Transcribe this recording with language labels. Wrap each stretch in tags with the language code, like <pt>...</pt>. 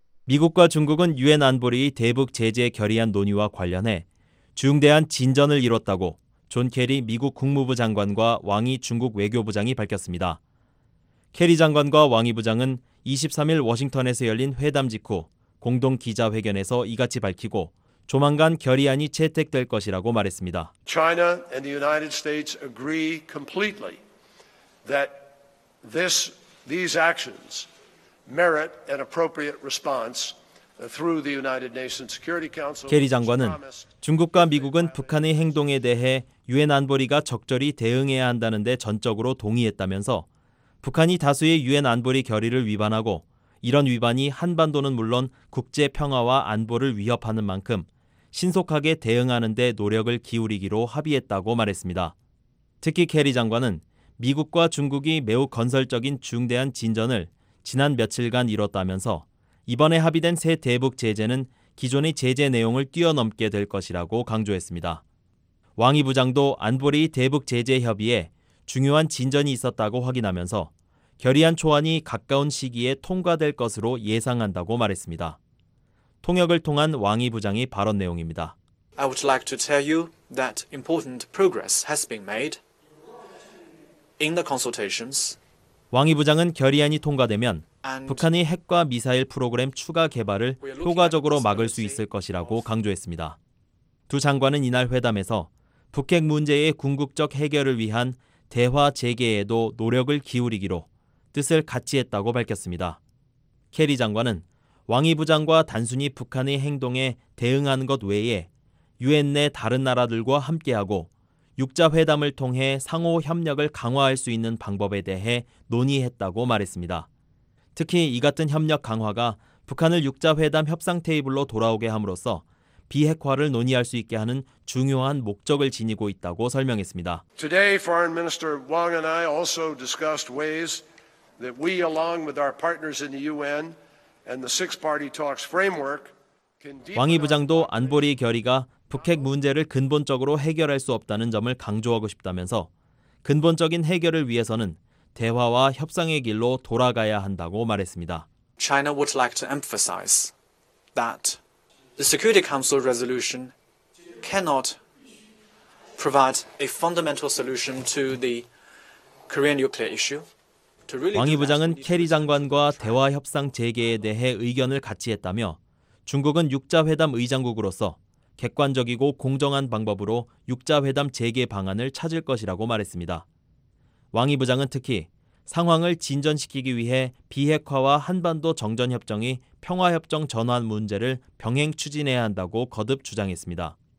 <ko>미국과 중국은 유엔 안보리 대북 제재 결의안 논의와 관련해 중대한 진전을 이뤘다고 존 케리 미국 국무부 장관과 왕이 중국 외교부장이 밝혔습니다. 케리 장관과 왕이 부장은 23일 워싱턴에서 열린 회담 직후 공동 기자회견에서 이같이 밝히고 조만간 결의안이 채택될 것이라고 말했습니다.</ko> <en>China and the United States agree completely that these actions merit an appropriate response through the United Nations Security Council.</en> <ko>케리 장관은 중국과 미국은 북한의 행동에 대해 유엔 안보리가 적절히 대응해야 한다는 데 전적으로 동의했다면서 북한이 다수의 유엔 안보리 결의를 위반하고 이런 위반이 한반도는 물론 국제 평화와 안보를 위협하는 만큼 신속하게 대응하는 데 노력을 기울이기로 합의했다고 말했습니다. 특히 케리 장관은 미국과 중국이 매우 건설적인 중대한 진전을 지난 며칠간 이뤘다면서 이번에 합의된 새 대북 제재는 기존의 제재 내용을 뛰어넘게 될 것이라고 강조했습니다. 왕이 부장도 안보리 대북 제재 협의에 중요한 진전이 있었다고 확인하면서 결의안 초안이 가까운 시기에 통과될 것으로 예상한다고 말했습니다. 통역을 통한 왕이 부장의 발언 내용입니다.</ko> <en>I would like to tell you that important progress has been made in the consultations.</en> <ko>왕이 부장은 결의안이 통과되면 북한의 핵과 미사일 프로그램 추가 개발을 효과적으로 막을 수 있을 것이라고 강조했습니다. 두 장관은 이날 회담에서 북핵 문제의 궁극적 해결을 위한 대화 재개에도 노력을 기울이기로 뜻을 같이 했다고 밝혔습니다. 케리 장관은 왕이 부장과 단순히 북한의 행동에 대응하는 것 외에 유엔 내 다른 나라들과 함께하고 6자회담을 통해 상호 협력을 강화할 수 있는 방법에 대해 논의했다고 말했습니다. 특히 이 같은 협력 강화가 북한을 6자회담 협상 테이블로 돌아오게 함으로써 비핵화를 논의할 수 있게 하는 중요한 목적을 지니고 있다고 설명했습니다.</ko> <en>Today, Foreign Minister Wang and I also discussed ways that we, along with our partners in the UN and the six-party talks framework, can deepen.</en> <ko>왕이 부장도 안보리 결의가 북핵 문제를 근본적으로 해결할 수 없다는 점을 강조하고 싶다면서 근본적인 해결을 위해서는 대화와 협상의 길로 돌아가야 한다고 말했습니다.</ko> <en>China would like to emphasize that the Security Council resolution cannot provide a fundamental solution to the Korean nuclear issue.</en> <ko>왕이 부장은 케리 장관과 대화 협상 재개에 대해 의견을 같이 했다며 중국은 6자회담 의장국으로서 객관적이고 공정한 방법으로 6자회담 재개 방안을 찾을 것이라고 말했습니다. 왕이 부장은 특히 상황을 진전시키기 위해 비핵화와 한반도 정전협정이 평화협정 전환 문제를 병행 추진해야 한다고 거듭 주장했습니다.</ko>